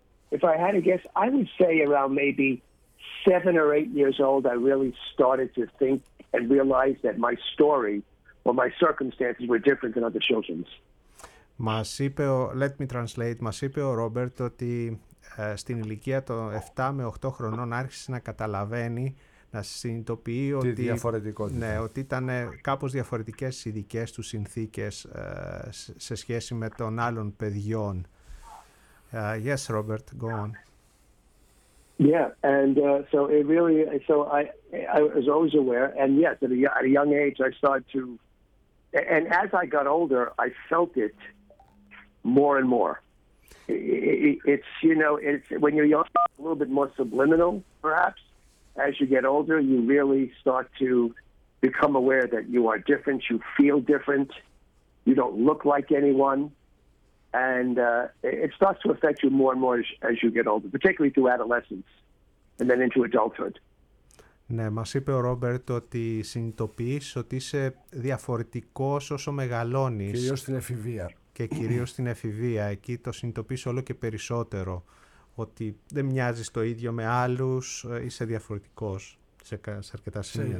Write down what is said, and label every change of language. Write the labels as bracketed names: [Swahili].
[English] If I had to guess, I would say around maybe 7 or 8 years old, I really started to think and realize that my story. Well, my circumstances were different than other children's. [Greek] Μας είπε, [English] let me translate, [Greek] μας είπε ο Ρόμπερτ ότι στην ηλικία των 7 με 8 χρονών άρχισε να καταλαβαίνει να συνειδητοποιεί ότι, τη διαφορετικότητα. Ναι, ότι ήταν κάπως διαφορετικές οι δικές του συνθήκες σε σχέση με των άλλων παιδιών. [English] Yes, Robert, go on. Yeah, and so it really, so I was always aware, and yes, at a young age I started to, and as I got older, I felt it more and more. It's, you know, it's when you're young, it's a little bit more subliminal, perhaps. As you get older, you really start to become aware that you are different, you feel different, you don't look like anyone. And it starts to affect you more and more as you get older, particularly through adolescence and then into adulthood. [Greek] Ναι, μας είπε ο Ρόμπερτ ότι συνειδητοποιείς ότι είσαι διαφορετικός όσο μεγαλώνεις. Κυρίως στην εφηβεία. Και κυρίως στην εφηβεία. Εκεί το συνειδητοποιείς όλο και περισσότερο. Ότι δεν μοιάζεις το ίδιο με άλλους, είσαι διαφορετικός σε αρκετά σημεία.